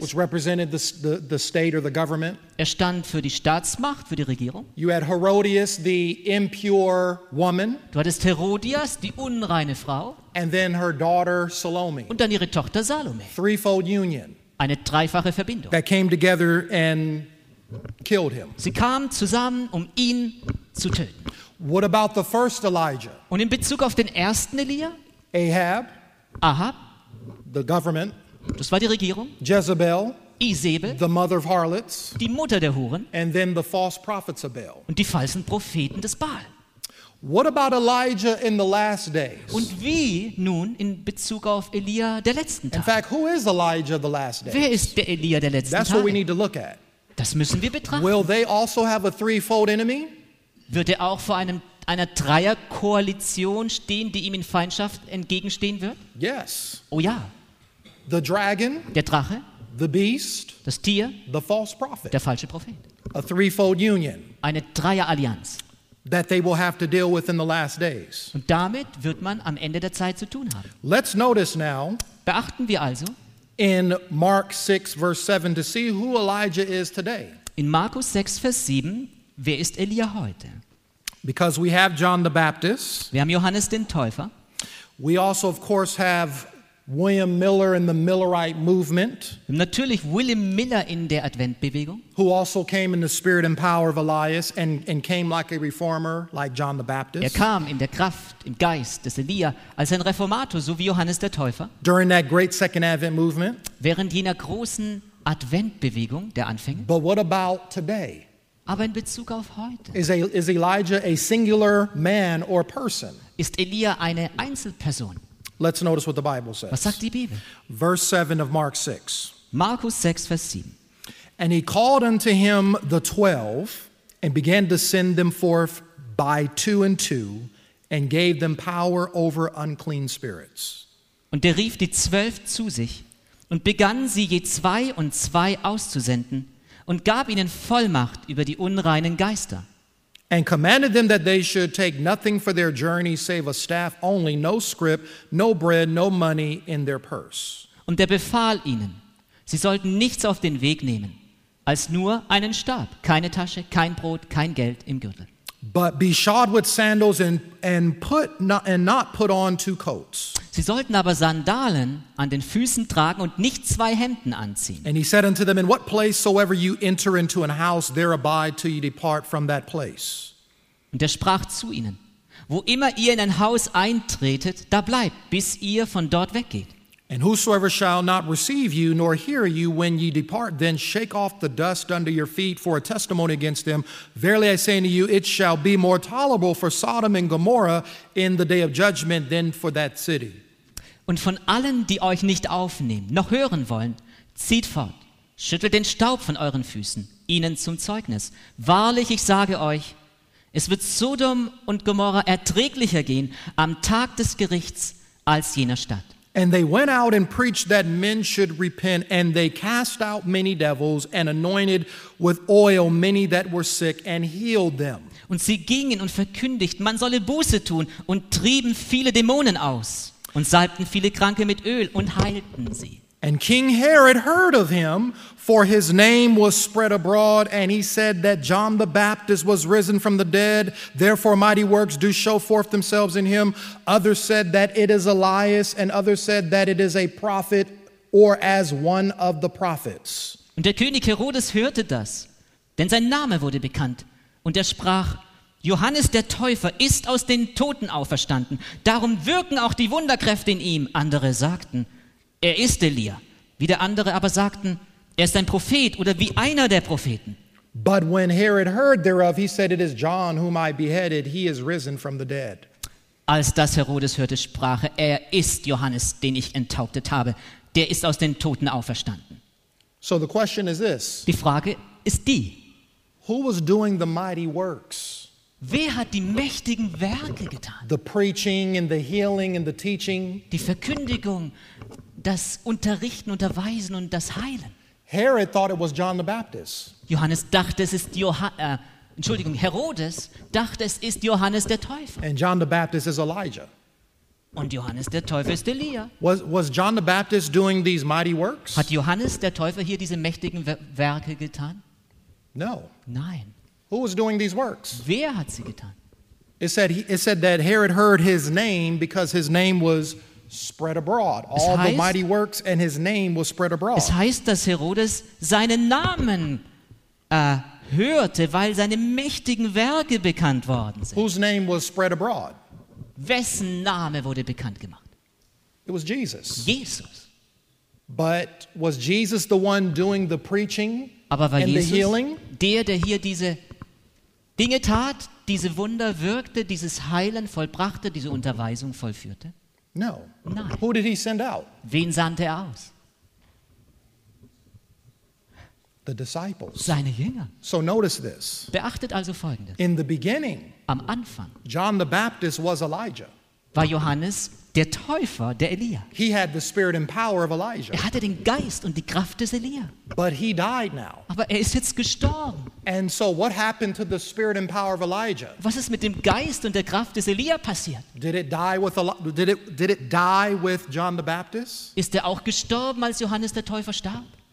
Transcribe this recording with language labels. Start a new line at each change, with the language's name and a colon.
English: which represented the state or the government.
German: Er stand für die Staatsmacht, für die Regierung.
English: You had Herodias, the impure woman.
German: Du hattest Herodias, die unreine Frau.
English: And then her daughter Salome.
German: Und dann ihre Tochter Salome.
English: Threefold union.
German: Eine dreifache Verbindung.
English: That came together and killed him.
German: Sie kamen zusammen, um ihn zu töten.
English: What about the first Elijah?
German: Und in Bezug auf den ersten Elia?
English: Ahab.
German: Ahab.
English: The government.
German: Das war die Regierung.
English: Jezebel.
German: Isabel.
English: The mother of harlots.
German: Die Mutter der Huren.
English: And then the false prophets of Baal.
German: Und die falschen Propheten des Baal.
English: What about Elijah in the last days?
German: Und wie nun in Bezug auf Elia der letzten Tage?
English: In fact, who is Elijah the last days?
German: Wer ist der Elia der letzten
English: That's
German: Tage?
English: That's what we need to look at.
German: Das müssen wir betrachten.
English: Will they also have a threefold enemy?
German: Wird auch vor einer Dreierkoalition stehen, die ihm in Feindschaft entgegenstehen wird?
English: Yes.
German: Oh ja.
English: The dragon.
German: Der Drache.
English: the beast,
German: das Tier,
English: the false prophet,
German: der falsche Prophet,
English: a threefold union,
German: eine Dreierallianz,
English: that they will have to deal with in the last days.
German: Und damit wird man am Ende der Zeit zu tun haben.
English: Let's notice now,
German: beachten wir also,
English: in Mark 6, verse 7, to see who Elijah is today.
German: In Markus 6, Vers 7, wer ist Elia heute?
English: Because we have John the Baptist.
German: Wir haben Johannes den Täufer.
English: We also, of course, have William Miller in the Millerite movement.
German: Natürlich William Miller in der Adventbewegung.
English: Who also came in the spirit and power of Elias and came like a reformer, like John the Baptist.
German: Er kam in der Kraft, im Geist des Elia, als ein Reformator, so wie Johannes der Täufer.
English: During that great Second Advent movement.
German: Während jener großen Adventbewegung der Anfänge.
English: But what about today?
German: Aber in Bezug auf heute.
English: Is Elijah a singular man or person?
German: Ist Elia eine Einzelperson?
English: Let's notice what the Bible says.
German: Was sagt die Bibel?
English: Verse 7 of Mark 6.
German: Markus 6, Vers 7.
English: And he called unto him the 12 and began to send them forth by two and two and gave them power over unclean spirits.
German: Und er rief die 12 zu sich und begann sie je zwei und zwei auszusenden und gab ihnen Vollmacht über die unreinen Geister.
English: And commanded them that they should take nothing for their journey save a staff only, no scrip, no bread, no money in their purse.
German: Und er befahl ihnen, sie sollten nichts auf den Weg nehmen, als nur einen Stab, keine Tasche, kein Brot, kein Geld im Gürtel.
English: But be shod with sandals and not put on two coats.
German: Sie sollten aber Sandalen an den Füßen tragen und nicht zwei Hemden anziehen.
English: And he said unto them, In what place soever you enter into an house, there abide till you depart from that place.
German: Und er sprach zu ihnen, Wo immer ihr in ein Haus eintretet, da bleibt, bis ihr von dort weggeht.
English: And whosoever shall not receive you nor hear you when ye depart, then shake off the dust under your feet for a testimony against them. Verily I say unto you, it shall be more tolerable for Sodom and Gomorrah in the day of judgment than for that city.
German: Und von allen, die euch nicht aufnehmen, noch hören wollen, zieht fort, schüttelt den Staub von euren Füßen, ihnen zum Zeugnis. Wahrlich, ich sage euch, es wird Sodom und Gomorrah erträglicher gehen am Tag des Gerichts als jener Stadt.
English: And they went out and preached that men should repent, and they cast out many devils and anointed with oil many that were sick and healed them.
German: Und sie gingen und verkündigten, man solle Buße tun und trieben viele Dämonen aus und salbten viele Kranke mit Öl und heilten sie.
English: And King Herod heard of him, for his name was spread abroad, and he said that John the Baptist was risen from the dead, therefore mighty works do show forth themselves in him. Others said that it is Elias, and others said that it is a prophet, or as one of the prophets.
German: Und der König Herodes hörte das, denn sein Name wurde bekannt, und er sprach, Johannes der Täufer ist aus den Toten auferstanden, darum wirken auch die Wunderkräfte in ihm, andere sagten. Er ist Elia. Wieder andere aber sagten, er ist ein Prophet oder wie einer der Propheten.
English: But when Herod heard thereof, he said, it is John whom I beheaded, he is risen from the dead.
German: Als das Herodes hörte, sprach er ist Johannes, den ich enthauptet habe. Der ist aus den Toten auferstanden.
English: So the question is this.
German: Die Frage ist die.
English: Who was doing the mighty works?
German: Wer hat die mächtigen Werke getan?
English: The preaching and the healing and the teaching.
German: Die Verkündigung. Das Unterrichten, Unterweisen und das Heilen.
English: Herod thought it was John the Baptist.
German: Johannes dachte, es ist Herodes dachte, es ist Johannes der Täufer.
English: And John the Baptist is Elijah.
German: Und Johannes der Täufer ist Elia.
English: Was John the Baptist doing these mighty works?
German: Hat Johannes der Täufer hier diese mächtigen Werke getan?
English: No.
German: Nein.
English: Who was doing these works?
German: Wer hat sie getan?
English: It said that Herod heard his name because his name was spread abroad. All
German: es heißt,
English: the mighty works and his name was spread abroad.
German: Es heißt, dass Herodes seinen Namen hörte, weil seine mächtigen Werke bekannt worden sind.
English: Whose name was spread abroad?
German: Wessen Name wurde bekannt gemacht?
English: It was Jesus.
German: Jesus.
English: But was Jesus the one doing the preaching
German: Aber war
English: and
German: Jesus
English: the healing?
German: Der hier diese Dinge tat, diese Wunder wirkte, dieses Heilen vollbrachte, diese Unterweisung vollführte?
English: No.
German: Nein.
English: Who did he send out?
German: Wen sandte er aus?
English: The disciples.
German: Seine Jünger.
English: So notice this.
German: Beachtet also Folgendes.
English: In the beginning,
German: am Anfang,
English: John the Baptist was Elijah.
German: War Johannes Der Täufer, der Elia.
English: He had the spirit and power of Elijah.
German: Er hatte den Geist und die Kraft des Elia.
English: But he died now.
German: Aber er ist jetzt gestorben.
English: And so what happened to the spirit and power of Elijah?
German: Was ist mit dem Geist und der Kraft des Elia passiert?
English: Did it die with John the Baptist?
German: Ist er auch gestorben, als Johannes der Täufer starb?